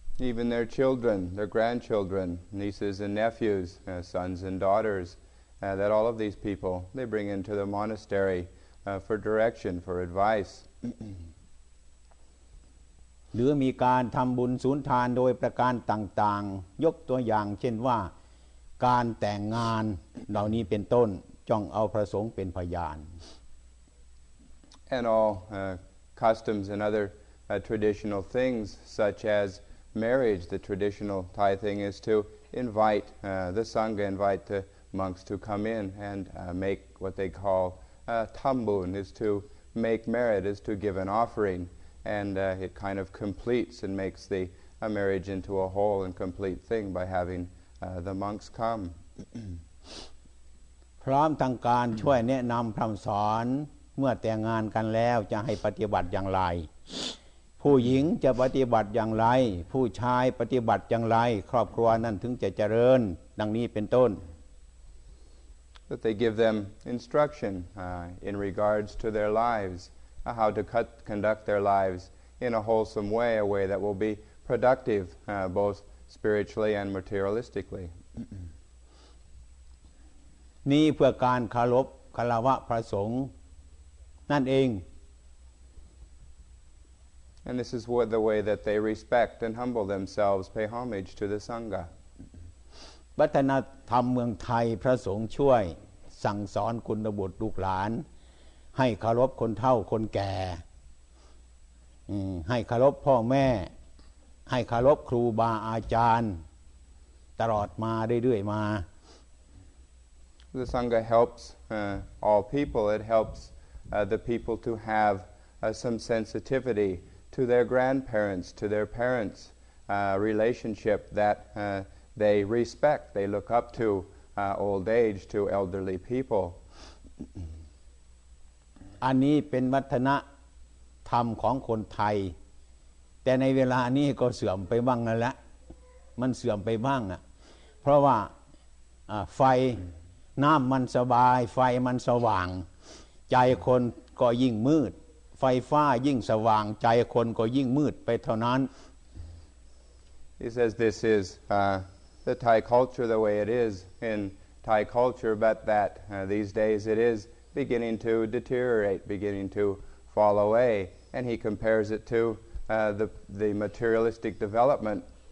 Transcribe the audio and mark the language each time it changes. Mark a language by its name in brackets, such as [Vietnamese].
[English] Even their children, their grandchildren, nieces and nephews, sons and daughters, that all of these people they bring into the monastery for direction, for advice. [Thai] หรือมีการทำบุญสุนทานโดยประการต่างๆยกตัวอย่างเช่นว่าการแต่งงานเหล่านี้เป็นต้นจ้องเอาพระสงฆ์เป็นพยาน [English] And all customs and other traditional things such as marriage the traditional Thai thing is to invite the Sangha invite the monks to come in and make what they call thambun is to make merit is to give an offering and it kind of completes and makes the marriage into a whole and complete thing by having the monks come [Thai] พร้อมทางการช่วยแนะนำคำสอนเมื่อแต่งงานกันแล้วจะให้ปฏิบัติอย่างไรผู้หญิงจะปฏิบัติอย่างไรผู้ชายปฏิบัติอย่างไรครอบครัวนั้นถึงจะเจริญดังนี้เป็นต้น [English] that they give them instruction in regards to their lives, how to conduct their lives in a wholesome way, a way that will be productive both spiritually and materialistically. [Thai] นี่เพื่อการคารวะคารวะพระสงฆ์นั่นเอง [English] And this is what the way that they respect and humble themselves, pay homage to the Sangha. [Thai] วัฒนธรรมเมืองไทยพระสงฆ์ช่วยสั่งสอนคุณบุตรลูกหลานให้คารวะคนเฒ่าคนแก่ให้คารวะพ่อแม่ให้คารวะครูบาอาจารย์ตลอดมาเรื่อยๆมา [English] The Sangha helps all people. It helps the people to have some sensitivity to their grandparents, to their parents, relationship that they respect. They look up to old age, to elderly people. [Thai] อันนี้เป็นวัฒนธรรมของคนไทยแต่ในเวลานี้ก็เสื่อมไปบ้างแล้วละมันเสื่อมไปบ้างอ่ะเพราะว่าไฟน้ำมันสบายไฟมันสว่างใจคนก็ยิ่งมืดไฟฟ้ายิ่งสว่างใจคนก็ยิ่งมืดไปเท่านั้น [English] He says this is the Thai culture the way it is in Thai culture but that these days it is beginning to deteriorate beginning to fall away and he compares it to the materialistic development